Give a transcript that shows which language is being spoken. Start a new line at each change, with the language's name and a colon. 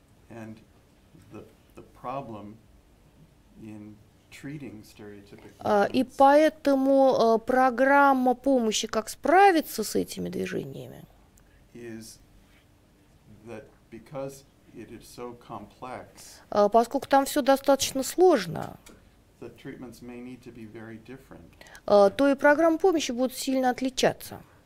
English: And the problem in treating stereotypic movements.
Russian: И поэтому программа помощи, как справиться с этими движениями,
English: is that because it is so complex,
Russian: поскольку там все достаточно сложно,
English: the treatments may need to be very different.
Russian: То и программы помощи будут сильно отличаться.